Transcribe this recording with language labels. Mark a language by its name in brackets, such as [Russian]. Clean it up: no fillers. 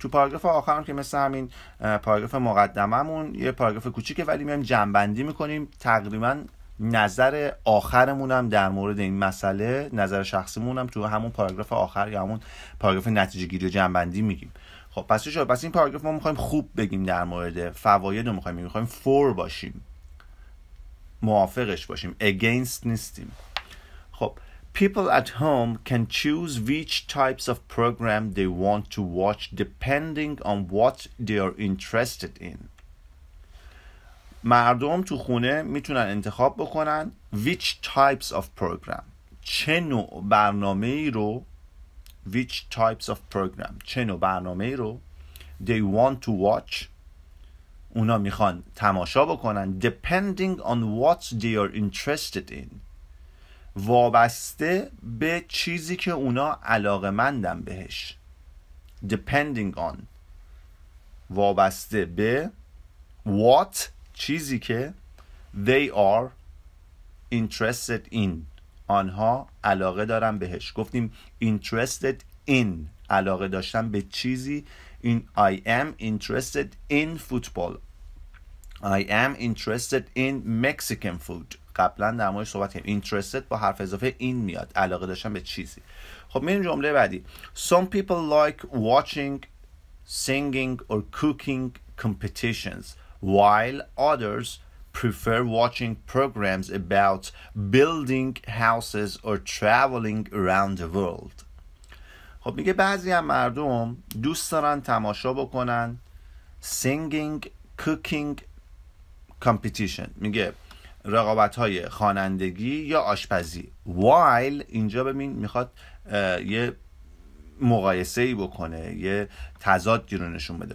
[Persian] تو پاراگراف آخر هم که مثل همین پاراگراف مقدمه‌مون یه پاراگراف کوچیکه، ولی میایم جمع‌بندی می‌کنیم تقریبا نظر آخرمون هم در مورد این مسئله، نظر شخصیمون هم تو همون پاراگراف آخر یا همون پاراگراف نتیجه گیری و جمع‌بندی میگیم. خب پس شد. پس این پاراگراف ما میخوایم خوب بگیم در مورد فواید رو میخوایم، میخوایم فور باشیم، موافقش باشیم، against نیستیم. [English] خب people at home can choose which types of program they want to watch depending on what they are interested in. [Persian] مردم تو خونه میتونن انتخاب بکنن [English] which types of program، [Persian] چه نوع برنامه ای رو، which types of program، چه نوع برنامه ای رو [English] they want to watch، [Persian] اونا میخوان تماشا بکنن [English] depending on what they are interested in، [Persian] وابسته به چیزی که اونا علاقه مندن بهش. [English] depending on، وابسته به what، چیزی که they are interested in، [Persian] آنها علاقه دارن بهش. گفتیم interested in، علاقه داشتن به چیزی. [English] این I am interested in football، I am interested in Mexican food. [Persian] قبلا در موردش صحبت کردیم. interested با حرف اضافه in میاد، علاقه داشتن به چیزی. خب میریم جمله بعدی. [English] some people like watching singing or cooking competitions while others prefer watching programs about building houses or traveling around the world. [Persian] خب میگه بعضی از مردم دوست دارن تماشا بکنن [English] singing cooking competition، [Persian] میگه رقابت های خوانندگی یا آشپزی. while اینجا ببین میخواد یه مقایسه ای بکنه، یه تضادی رو نشون بده.